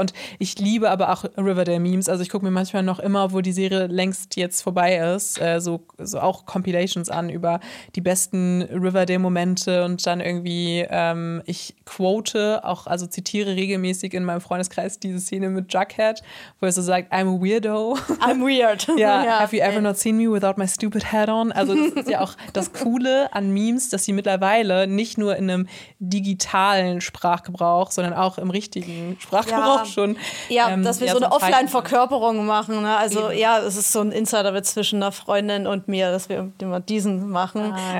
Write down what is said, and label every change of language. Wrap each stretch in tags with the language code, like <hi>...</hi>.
<de>Und ich liebe aber auch Riverdale-Memes. Also ich gucke mir manchmal noch immer, wo die Serie längst jetzt vorbei ist, so auch Compilations an über die besten Riverdale-Momente. Und dann irgendwie, ich quote auch, also zitiere regelmäßig in meinem Freundeskreis diese Szene mit Jughead, wo er so sagt,</de> <en>I'm a weirdo. I'm weird. Ja, yeah. Have you ever not seen me without my stupid hat on?</en> <de>Also das ist ja auch das Coole an Memes, dass sie mittlerweile nicht nur in einem digitalen Sprachgebrauch, sondern auch im richtigen Sprachgebrauch schon. Ja, dass wir so eine Offline-Verkörperung machen. Ne? Also eben. Ja, es ist so ein Insider-Witz zwischen einer Freundin und mir, dass wir immer diesen machen. Ah, ja.</de>